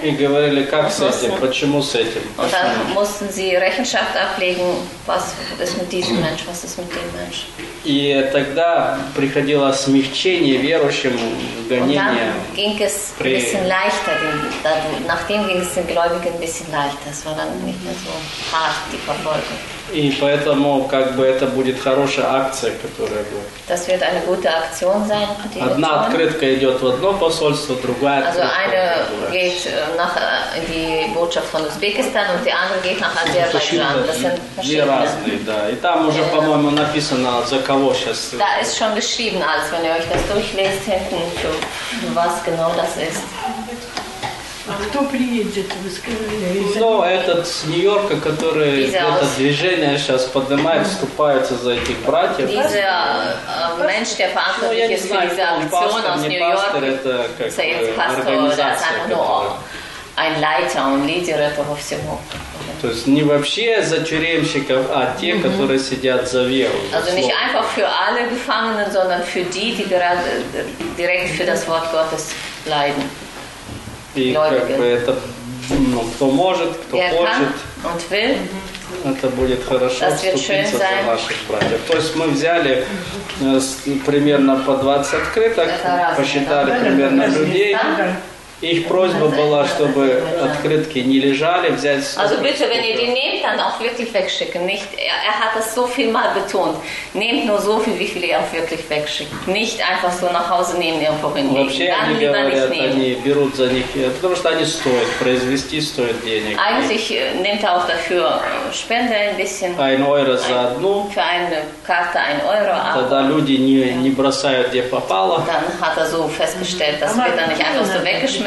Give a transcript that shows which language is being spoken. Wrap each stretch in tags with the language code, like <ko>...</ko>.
<ru>И говорили, как с этим, почему с этим.</ru> <de>Und dann mussten sie Rechenschaft ablegen, was ist mit diesem Mensch, was ist mit dem Mensch.</de> <ru>И тогда приходило смягчение верующим в гонение.</ru> <de>Ging es ein bisschen leichter, nachdem ging es den Gläubigen ein bisschen leichter. Es war dann nicht mehr so hart, die Verfolgung.</de> <ru>И поэтому как бы это будет хорошая акция, которая будет.</ru> <de>Das wird eine gute Aktion sein.</de> <ru>Одна открытка идет в одно посольство, другая</ru> <de>also</de> <ru>открытка.</ru> <de>Also eine geht nach die Botschaft von Usbekistan und die andere geht nach Aserbaidschan. Das sind verschiedene. Да.</de> <ru>И там уже, по-моему, написано, за кого сейчас.</ru> <de>Da ist schon geschrieben alles, wenn ihr euch das durchlest hinten, für was genau das ist.</de> <ru>А кто приедет, вы сказали? Ну, этот с Нью-Йорка, который это движение сейчас поднимает, вступается за этих братьев.</ru> <de>Diese Mensch, der verantwortlich ist für diese Aktion aus Нью-Йорка.</de> <ru>Это как организация.</ru> <de>Ein Leiter, ein Leader</de> <ru>этого всего. То есть не вообще за тюремщиков, а те, которые сидят за веру.</ru> <de>Also nicht einfach für alle Gefangenen, sondern für die, die gerade direkt für das Wort Gottes leiden.</de> <ru>И как бы это, ну, кто может, кто хочет, это будет хорошо вступиться за наших братьев. То есть мы взяли примерно по 20 открыток, посчитали примерно людей. Их просьба была, чтобы открытки не лежали, взять столько.</ru> <de>Also bitte, wenn ihr die nehmt, dann auch wirklich wegschicken. Nicht, hat das so viel mal betont. Nehmt nur so viel, wie viel ihr auch wirklich wegschickt. Nicht einfach so nach Hause nehmen, irgendwo hinlegen.</de> <ru>Вообще,</ru> <de>dann lieber</de> <ru>говорят,</ru> <de>nicht nehmen.</de> <ru>Они берут за них, потому что они стоят, произвести стоит денег.</ru> <de>Eigentlich nimmt auch dafür Spende ein bisschen. Ein Euro</de> <ru>за одну.</ru> <de>Für eine Karte ein Euro.</de> <ru>Тогда люди не бросают, где попало.</ru> <de>Dann hat er so festgestellt, dass wir dann nicht einfach so weggeschmissen.</de>